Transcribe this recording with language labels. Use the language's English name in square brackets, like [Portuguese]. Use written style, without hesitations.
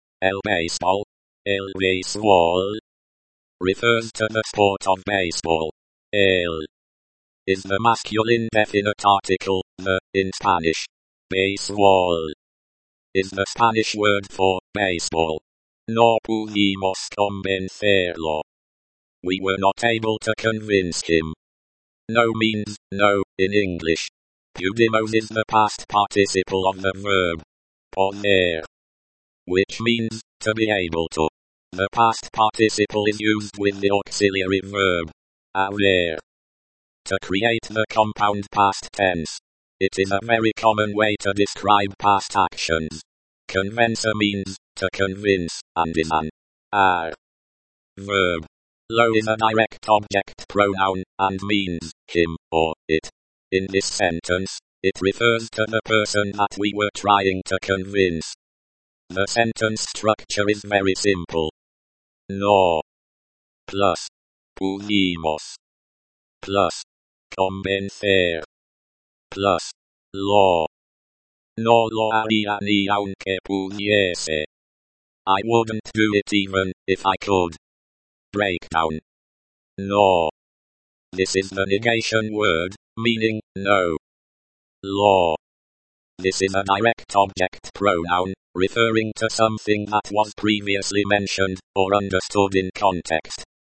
[English] El baseball, el baseball, refers to the sport of baseball. El is the masculine definite article, the, in Spanish. Baseball is the Spanish word for baseball. [Spanish] No pudimos convencerlo. [English] We were not able to convince him. No means no in English. Pudimos is the past participle of the verb poner, which means to be able to. The past participle is used with the auxiliary verb haber to create the compound past tense. It is a very common way to describe past actions. Convencer means to convince, and is an ar verb. Lo is a direct object pronoun, and means him or it. In this sentence, it refers to the person that we were trying to convince. The sentence structure is very simple. No plus pudimos plus convencer plus lo. [Spanish] No lo haría ni aunque pudiese. [English] I wouldn't do it even if I could. Breakdown. No. This is the negation word, meaning no. Lo. This is a direct object pronoun, referring to something that was previously mentioned or understood in context.